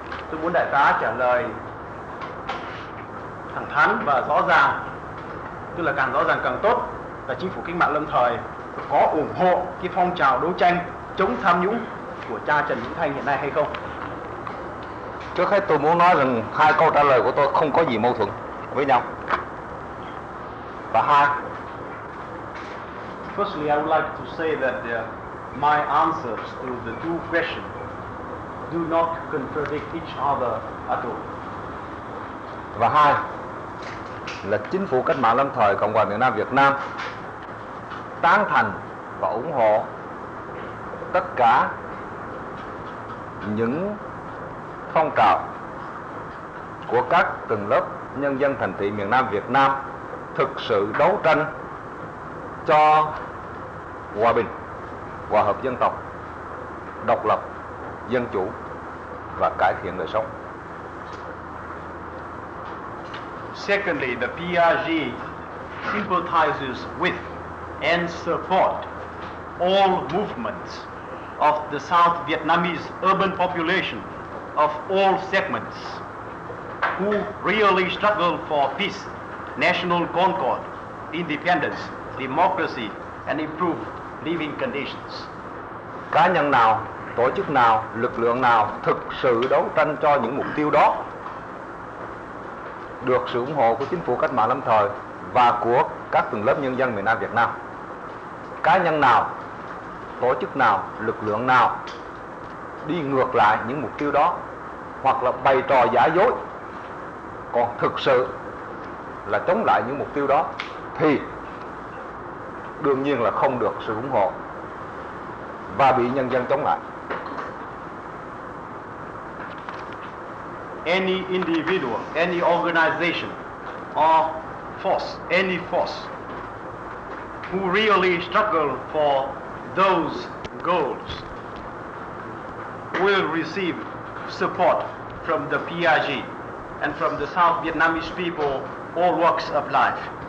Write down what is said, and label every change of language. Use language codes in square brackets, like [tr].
[vi] Tôi muốn đại tá trả lời thẳng thắn và rõ ràng, tức là càng rõ ràng càng tốt, là chính phủ Cách mạng Lâm Thời có ủng hộ cái phong trào đấu tranh chống tham nhũng của cha Trần Hữu Thanh hiện nay hay không. Trước hết tôi muốn nói rằng hai câu trả lời của tôi không có gì mâu thuẫn với nhau. Và hai, [en] firstly, I would like to say that my answers to the two questions do not contradict each other at all. [vi] Và hai, là chính phủ Cách mạng Lâm Thời Cộng hòa miền Nam Việt Nam tán thành và ủng hộ tất cả những phong trào của các tầng lớp nhân dân thành thị miền Nam Việt Nam thực sự đấu tranh cho hòa bình, hòa hợp dân tộc, độc lập, dân chủ và cải thiện đời sống. [en] Secondly, the PRG sympathizes with and support all movements of the South Vietnamese urban population of all segments who really struggle for peace, national concord, independence, democracy and improved living conditions. [vi] Cá nhân nào, tổ chức nào, lực lượng nào thực sự đấu tranh cho những mục tiêu đó được sự ủng hộ của chính phủ Cách mạng Lâm Thời và của các tầng lớp nhân dân miền Nam Việt Nam. Cá nhân nào, tổ chức nào, lực lượng nào đi ngược lại những mục tiêu đó hoặc là bày trò giả dối còn thực sự là chống lại những mục tiêu đó thì đương nhiên là không được sự ủng hộ và bị nhân dân chống lại. [en] Any individual, any organization or force, any force who really struggle for those goals will receive support from the PRG and from the South Vietnamese people, all walks of life.